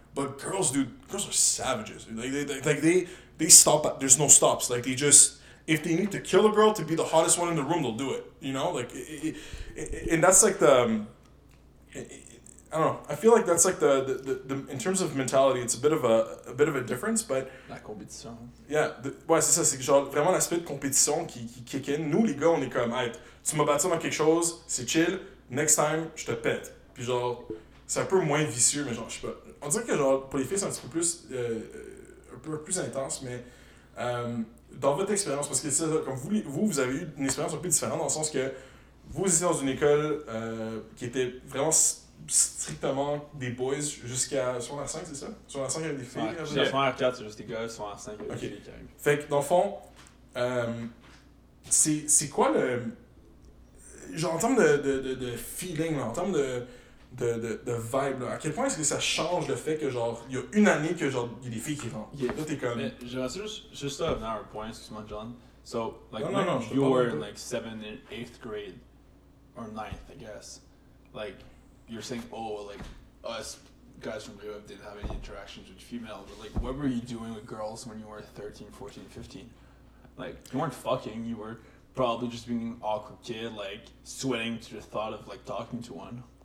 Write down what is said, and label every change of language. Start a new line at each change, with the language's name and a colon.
English: But girls, dude, girls are savages. Dude. Like, they stop. There's no stops. Like, they just... if they need to kill a girl to be the hottest one in the room, they'll do it. You know, like, and that's like the, I don't know. I feel like that's like the in terms of mentality, it's a bit of a difference, but
French: la compétition. Yeah, ouais, c'est ça. C'est genre vraiment l'aspect de compétition qui
English: kick in.
French: Nous les gars, on est comme, hey, tu m'as battu dans quelque chose, c'est chill.
English: Next time,
French: je te pète. Puis genre, c'est un peu moins vicieux, mais genre, je sais pas. On dirait que genre pour les filles, c'est un peu plus intense, mais dans votre expérience, parce que c'est ça, comme vous avez eu une expérience un peu différente dans le sens que vous étiez dans une école qui était vraiment strictement des boys jusqu'à secondaire 5, c'est ça? Secondaire 5, il y avait des filles. Secondaire 4, c'est juste des gars. Secondaire 5, il y avait des filles qui arrivent. Fait que, dans le fond, c'est quoi le... Genre, en termes de feeling, là, en termes de vibe, là, à quel point est-ce que ça change le fait que, genre, il y a une année que, genre, il y a des filles qui rentrent? Yeah. Là, t'es comme... Mais j'aimerais juste revenir à un point, excuse-moi, John.
English: So, like, non, you were in, like, 7th and 8th grade, or 9th, I guess. Like... You're saying, oh, like, us guys from Rio didn't have any interactions with females. But, like, what were you doing with girls when you were 13, 14, 15? Like, you weren't fucking. You were probably just being an awkward kid, like, sweating to the thought of, like, talking to one.